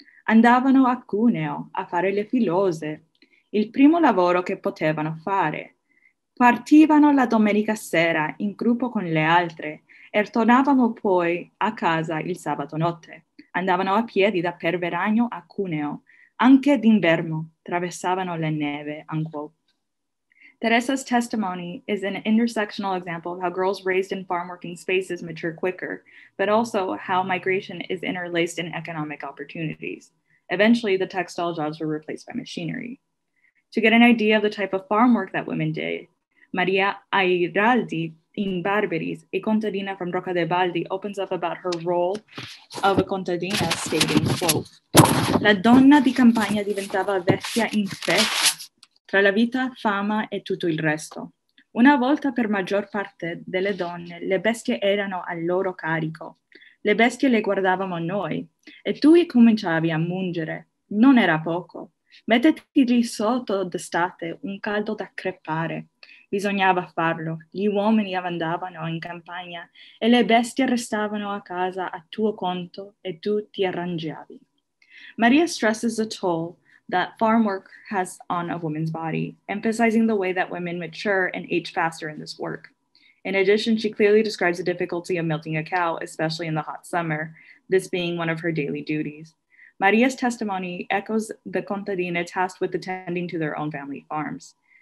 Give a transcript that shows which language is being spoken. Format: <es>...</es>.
<it>Andavano a Cuneo a fare le filose, il primo lavoro che potevano fare. Partivano la domenica sera in gruppo con le altre, e tornavamo poi a casa il sabato notte. Andavano a piedi da Peverano a Cuneo, anche d'inverno, attraversavano le neve,</it> <en>unquote. Teresa's testimony is an intersectional example of how girls raised in farmworking spaces mature quicker, but also how migration is interlaced in economic opportunities. Eventually, the textile jobs were replaced by machinery. To get an idea of the type of farm work that women did, Maria Airaldi in Barberis, a contadina from Rocca de Baldi, opens up about her role of a contadina, stating, quote,</en> <it>la donna di campagna diventava vecchia in fretta, tra la vita, fama e tutto il resto. Una volta per maggior parte delle donne, le bestie erano al loro carico. Le bestie le guardavamo noi, e tu cominciavi a mungere. Non era poco. Mettiti lì sotto d'estate, un caldo da crepare. Bisognava farlo. Gli uomini andavano in campagna e le bestie restavano a casa a tuo conto e tu ti arrangiavi.</it> <en>Maria stresses the toll that farm work has on a woman's body, emphasizing the way that women mature and age faster in this work. In addition, she clearly describes the difficulty of milking a cow, especially in the hot summer, this being one of her daily duties. Maria's testimony echoes the contadina tasked with attending to their own family farms.</en>